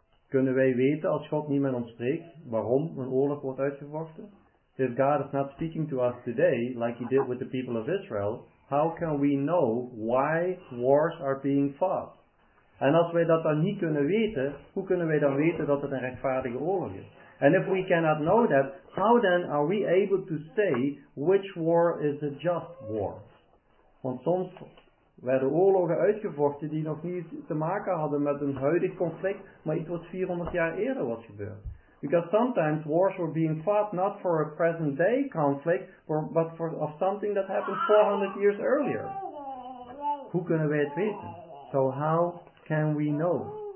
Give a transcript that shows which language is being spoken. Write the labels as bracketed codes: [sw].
[nl] Kunnen wij weten, als God niet met ons spreekt, waarom een oorlog wordt uitgevochten? [en] If God is not speaking to us today, like he did with the people of Israel, how can we know why wars are being fought? [nl] En als wij dat dan niet kunnen weten, hoe kunnen wij dan weten dat het een rechtvaardige oorlog is? [en] And if we cannot know that, how then are we able to say which war is a just war? [nl] Want soms werden oorlogen uitgevochten die nog niet te maken hadden met een huidig conflict, maar iets wat 400 jaar eerder was gebeurd. [en] Because sometimes wars were being fought not for a present day conflict, but for of something that happened 400 years earlier. [nl] Hoe kunnen wij het weten? [en] So how can we know?